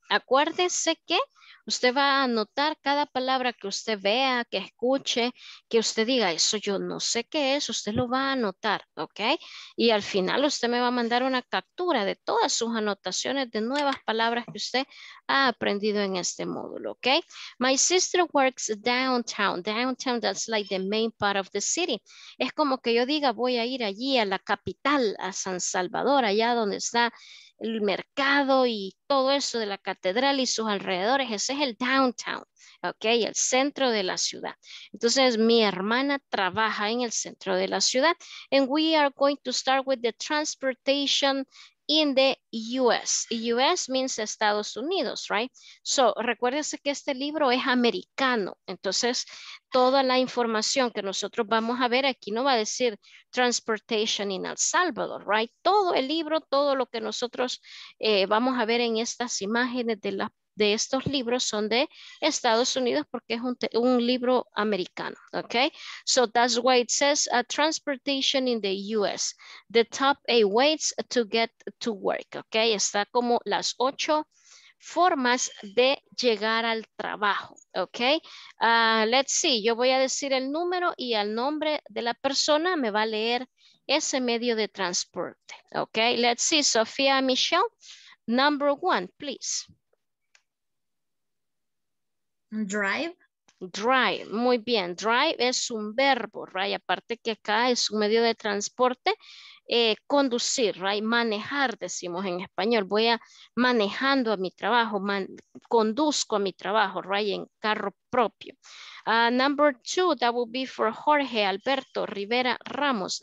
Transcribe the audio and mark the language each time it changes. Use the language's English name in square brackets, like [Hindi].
[Spanish] Acuérdese que usted va a anotar cada palabra que usted vea, que escuche, que usted diga, eso yo no sé qué es, usted lo va a anotar, ¿ok? Y al final usted me va a mandar una captura de todas sus anotaciones de nuevas palabras que usted ha aprendido en este módulo, ¿ok? [English] My sister works downtown. Downtown, that's like the main part of the city. [Spanish] Es como que yo diga, voy a ir allí a la capital, a San Salvador, allá donde está el mercado y todo eso de la catedral y sus alrededores, ese es el downtown, ok, el centro de la ciudad. Entonces mi hermana trabaja en el centro de la ciudad. [English] And we are going to start with the transportation in the US. US means Estados Unidos, right? [Spanish] So recuérdese que este libro es americano, entonces toda la información que nosotros vamos a ver aquí no va a decir [English] transportation in El Salvador, right? [Spanish] Todo el libro, todo lo que nosotros vamos a ver en estas imágenes de estos libros son de Estados Unidos porque es un libro americano, ¿ok? [English] So that's why it says transportation in the US. The top 8 ways to get to work, ¿ok? [Spanish] Está como las 8 formas de llegar al trabajo, ¿ok? [English] Let's see, [Spanish] yo voy a decir el número y el nombre de la persona me va a leer ese medio de transporte, ¿ok? [English] Let's see, Sofía Michelle, number 1, please. Drive, [Spanish] muy bien. Drive es un verbo, right? Aparte que acá es un medio de transporte, conducir, right? Manejar, decimos en español. Voy a manejando a mi trabajo, conduzco a mi trabajo, right? En carro propio. [English] Number 2, that would be for Jorge Alberto Rivera Ramos.